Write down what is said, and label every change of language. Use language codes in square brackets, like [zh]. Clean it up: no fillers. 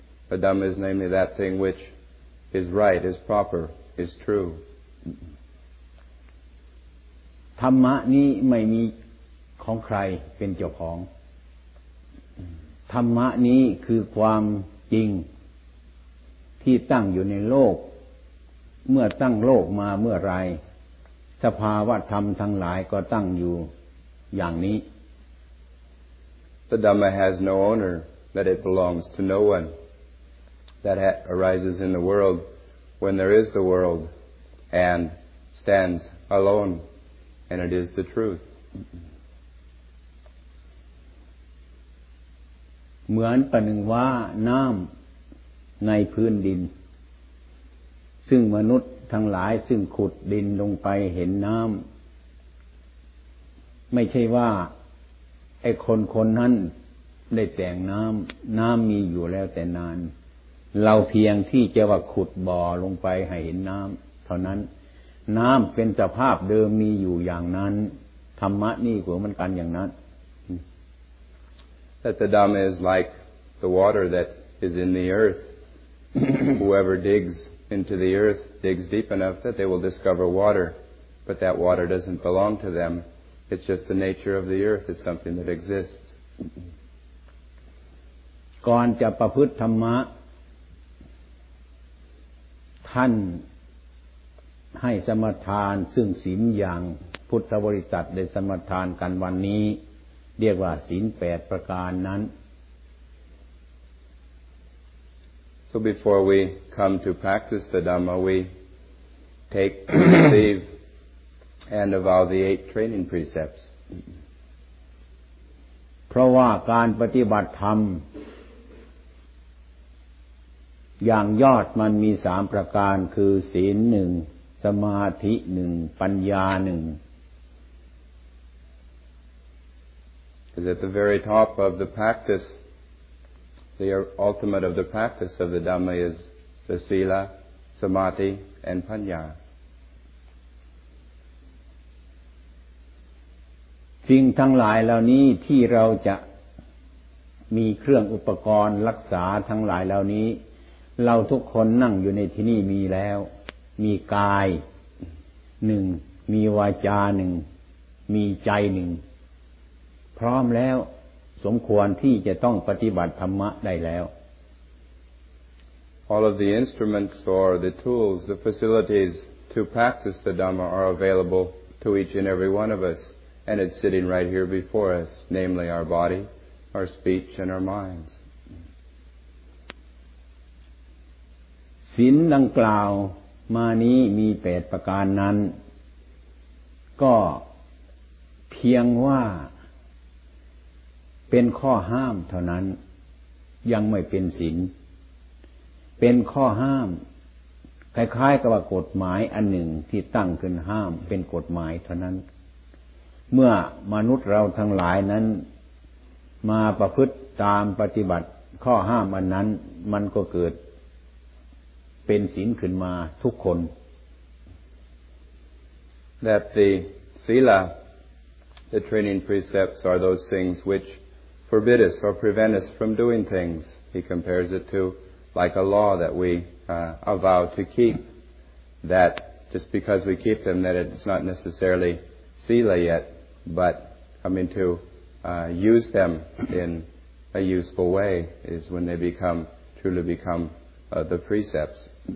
[en] The Dhamma is namely that thing which is right, is proper, is true. [th] ธรรมะนี้ไม่มีของใครเป็นเจ้าของธรรมะนี้คือความจริงที่ตั้งอยู่ในโลกเมื่อตั้งโลกมาเมื่อไรสภาวะธรรมทั้งหลายก็ตั้งอยู่อย่างนี้ [en] The Dhamma has no owner, that it belongs to no one, that arises in the world when there is the world and stands aloneAnd it is the truth. [th] เหมือนประหนึ่งว่าน้ำในพื้นดินซึ่งมนุษย์ทั้งหลายซึ่งขุดดินลงไปเห็นน้ำไม่ใช่ว่าไอ้คนคนนั้นได้แต่งน้ำน้ำมีอยู่แล้วแต่นานเราเพียงที่จะว่าขุดบ่อลงไปให้เห็นน้ำเท่านั้นน้ำเป็นสภาพเดิมมีอยู่อย่างนั้นธรรมะนี่ก็มันกันอย่างนั้น [en] That the Dhamma is like the water that is in the earth. Whoever digs into the earth digs deep enough that they will discover water. But that water doesn't belong to them. It's just the nature of the earth. It's something that exists. [th] ก่อนจะประพฤติธรรมะท่านให้สมาทานซึ่งศีลอย่างพุทธบริษัทได้สมาทานกันวันนี้เรียกว่าศีล8ประการนั้น [en] So before we come to practice the Dhamma we take receive and avow the 8 training precepts [th] เพราะว่าการปฏิบัติธรรมอย่างยอดมันมี3ประการคือศีล1สมาธิหนึ่งปัญญาหนึ่ง [en] Is at the very top of the practice, the ultimate of the practice of the Dhamma is the Sila, Samadhi, and Panya. [th] สิ่งทั้งหลายเหล่านี้ที่เราจะมีเครื่องอุปกรณ์รักษาทั้งหลายเหล่านี้เราทุกคนนั่งอยู่ในที่นี่มีแล้วมีกาย1มีวาจา1มีใจ1พร้อมแล้วสมควรที่จะต้องปฏิบัติธรรมะได้แล้ว [en] All of the instruments or the tools the facilities to practice the Dhamma are available to each and every one of us and it's sitting right here before us namely our body our speech and our minds [th] ศีลดังกล่าวมานี้มี8ประการนั้นก็เพียงว่าเป็นข้อห้ามเท่านั้นยังไม่เป็นศีล เป็นข้อห้ามคล้ายๆกับกฎหมายอันหนึ่งที่ตั้งขึ้นห้ามเป็นกฎหมายเท่านั้นเมื่อมนุษย์เราทั้งหลายนั้นมาประพฤติตามปฏิบัติข้อห้ามอันนั้นมันก็เกิดเป็นศีลขึ้นมาทุกคน [en] That the sila the training precepts are those things which forbid us or prevent us from doing things he compares it to like a law that we avow to keep that just because we keep them that it's not necessarily sila yet but I mean to use them in a useful way is when they become truly becomeThe precepts.